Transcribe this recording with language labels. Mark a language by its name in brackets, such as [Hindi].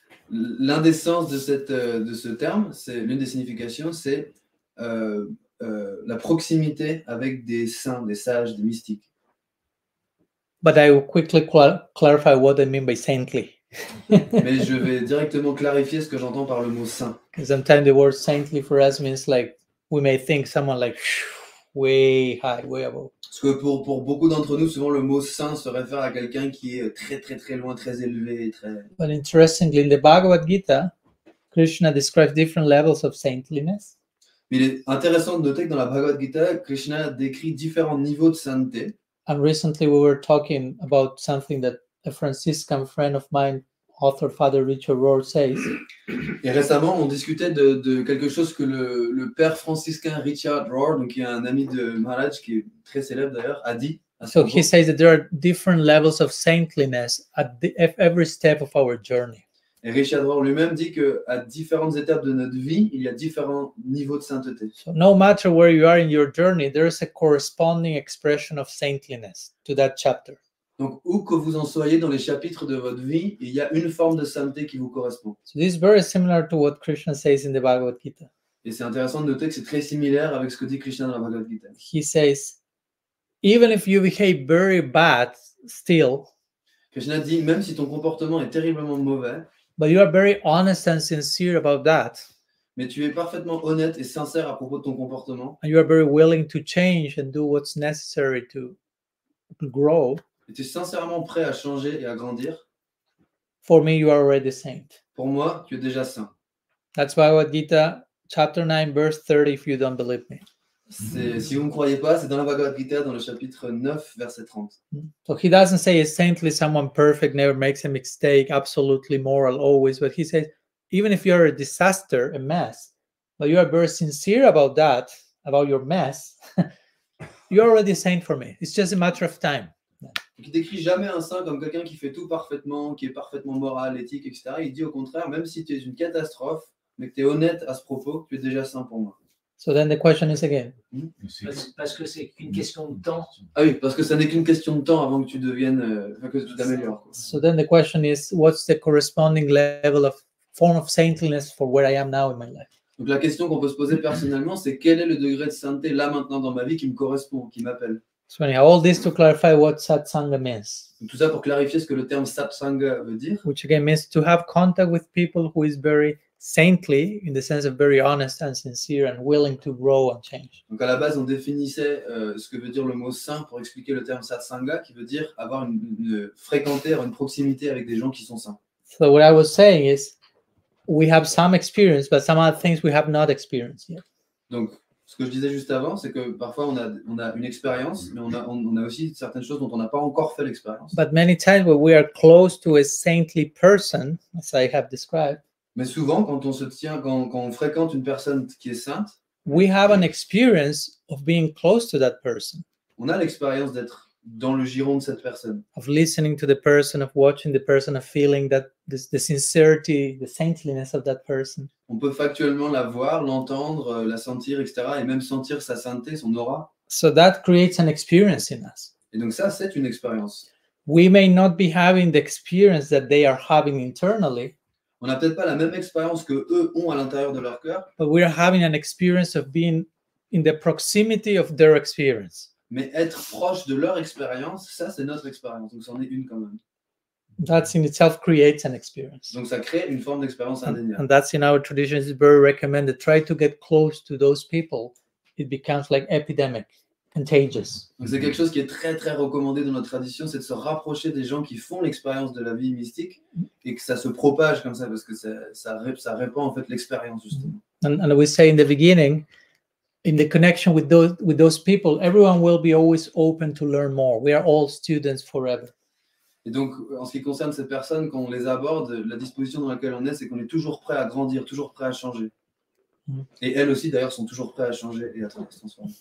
[French] L'un des sens de ce terme, c'est l'une des significations, c'est la proximité avec des saints, des sages, des mystiques. [English] But I will quickly clarify what I mean by saintly. [French] Mais je vais directement clarifier ce que j'entends par le mot saint. [English] Sometimes the word saintly for us means like we may think someone like way high, way above. [French] Parce que pour beaucoup d'entre nous, souvent le mot saint se réfère à quelqu'un qui est très très très loin, très élevé, très. [English] But interestingly, in the Bhagavad Gita, Krishna describes different levels of saintliness. [French] Mais il est intéressant de noter que dans la Bhagavad Gita, Krishna décrit différents niveaux de sainteté. [English] And recently, we were talking about something that a Franciscan friend of mine, author Father Richard Rohr, says. [French] Et récemment, on discutait de quelque chose que le père franciscain Richard Rohr, donc qui est un ami de Maharaj, qui est très célèbre d'ailleurs, a dit. [English] So he says that there are different levels of saintliness at every step of our journey. [French] Et Richard Rohr lui-même dit que à différentes étapes de notre vie, il y a différents niveaux de sainteté. [English] So no matter where you are in your journey, there is a corresponding expression of saintliness to that chapter. [French] Donc où que vous en soyez dans les chapitres de votre vie, il y a une forme de sainteté qui vous correspond. [English] So this is very similar to what Krishna says in the Bhagavad Gita. [French] Et c'est intéressant de noter que c'est très similaire avec ce que dit Krishna dans la Bhagavad Gita. [English] He says, even if you behave very bad, still. [French] Krishna dit même si ton comportement est terriblement mauvais. [English] But you are very honest and sincere about that. [French] Mais tu es parfaitement honnête et sincère à propos de ton comportement. [English] And you are very willing to change and do what's necessary to grow. [French] Et tu es sincèrement prêt à changer et à grandir. [English] For me, you are already saint. [French] Pour moi, tu es déjà saint. [English] That's Bhagavad Gita, chapter 9, verse 30, if you don't believe me. [French] Si vous ne me croyez pas, c'est dans la Bhagavad Gita, dans le chapitre 9, verset 30. [English] So he doesn't say a saintly someone perfect, never makes a mistake, absolutely moral always, but he says, even if you're a disaster, a mess, but you are very sincere about that, about your mess, you're already a saint for me. It's just a matter of time. [French] Donc, il ne décrit jamais un saint comme quelqu'un qui fait tout parfaitement, qui est parfaitement moral, éthique, etc. Il dit au contraire, même si tu es une catastrophe, mais que tu es honnête à ce propos, tu es déjà saint pour moi. [English] So then the question is again. [French] Parce que c'est qu'une question de temps. Ah oui, parce que ça n'est qu'une question de temps avant que tu deviennes, que tu t'améliores. [English] So then the question is, what's the corresponding level of form of saintliness for where I am now in my life? [French] Donc la question qu'on peut se poser personnellement, c'est quel est le degré de sainteté là maintenant dans ma vie qui me correspond, qui m'appelle. [English] So anyhow, all this to clarify what satsanga means. [French] Tout ça pour clarifier ce que le terme satsanga veut dire. [English] Which again means to have contact with people who is very saintly, in the sense of very honest and sincere and willing to grow and change. [French] Donc à la base, on définissait ce que veut dire le mot saint pour expliquer le terme satsanga, qui veut dire avoir une fréquenter, une proximité avec des gens qui sont saints. [English] So what I was saying is, we have some experience, but some other things we have not experienced yet. [French] Donc, ce que je disais juste avant, c'est que parfois on a une expérience, mais on a aussi certaines choses dont on n'a pas encore fait l'expérience. [English] But many times when we are close to a saintly person, as I have described. [French] Mais souvent, quand on se tient, quand on fréquente une personne qui est sainte, [English] we have an experience of being close to that person. [French] On a l'expérience d'être dans le giron de cette personne. [English] Of listening to the person, of watching the person, of feeling that the sincerity, the saintliness of that person. [French] On peut factuellement la voir, l'entendre, la sentir, etc., et même sentir sa sainteté, son aura. [English] So that creates an experience in us. [French] Et donc ça, c'est une expérience. [English] We may not be having the experience that they are having internally. [French] On n'a peut-être pas la même expérience que eux ont à l'intérieur de leur cœur. [English] But we are having an experience of being in the proximity of their experience. [French] Mais être proche de leur expérience, ça c'est notre expérience. Donc c'en est une quand même. [English] That's in itself creates an experience. [French] Donc ça crée une forme d'expérience indéniable. [English] And that's in our tradition is very recommended. Try to get close to those people. It becomes like epidemic. contagious. [French] C'est quelque chose qui est très très recommandé dans notre tradition, c'est de se rapprocher des gens qui font l'expérience de la vie mystique et que ça se propage comme ça parce que ça répand en fait l'expérience justement. [English] And we say in the beginning, in the connection with those people, everyone will be always open to learn more. We are all students forever. [French] Et donc, en ce qui concerne ces personnes, quand on les aborde, la disposition dans laquelle on est, c'est qu'on est toujours prêt à grandir, toujours prêt à changer. Mm-hmm. Et elles aussi, d'ailleurs, sont toujours prêtes à changer et à se transformer.